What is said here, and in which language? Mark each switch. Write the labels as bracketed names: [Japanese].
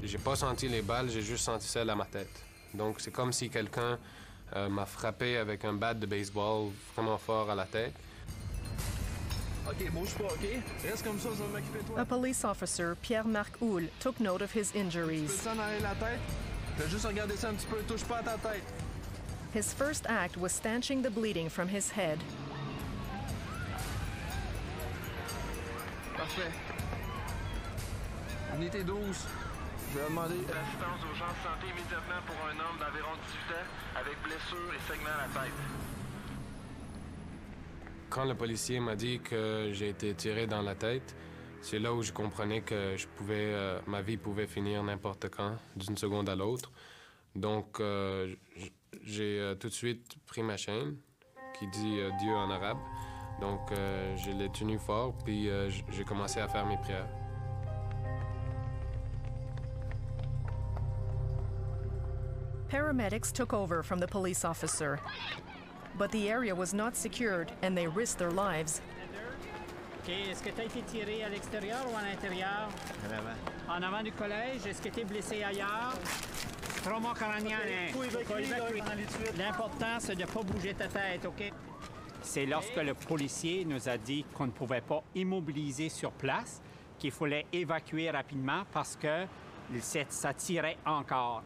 [French] J'ai pas senti les balles, j'ai juste senti celle à ma tête. Donc, c'est comme si quelqu'un m'a frappé avec un bat de baseball vraiment fort à la tête. OK, bouge pas, OK? Reste comme ça, ça va m'occuper de toi. [English] A police officer, Pierre-Marc Houle, took note of his injuries. [French] Tu peux t'en aller la tête? T'as juste regardé ça un petit peu, touche pas à ta tête. [English] His first act was stanching the bleeding from his head. [French] Parfait. Unité 12. Je vais demander... Assistance aux gens de santé immédiatement pour un homme d'environ 18 ans avec blessure et saignement à la tête. Quand le policier m'a dit que j'ai été tiré dans la tête, c'est là où je comprenais que je pouvais, ma vie pouvait finir n'importe quand, d'une seconde à l'autre. Donc, j'ai tout de suite pris ma chaîne, qui dit Dieu en arabe. Donc, je l'ai tenue fort, puis j'ai commencé à faire mes prières. [English] Paramedics took over from the police officer. But the area was not secured, and they risked their lives. [French] OK, est-ce que tu as été tiré à l'extérieur ou à l'intérieur? En avant. En avant du collège, est-ce que tu es blessé ailleurs? Trauma crânien. L'important, c'est de ne pas bouger ta tête, OK? C'est lorsque le policier nous a dit qu'on ne pouvait pas immobiliser sur place, qu'il fallait évacuer rapidement parce que ça tirait encore.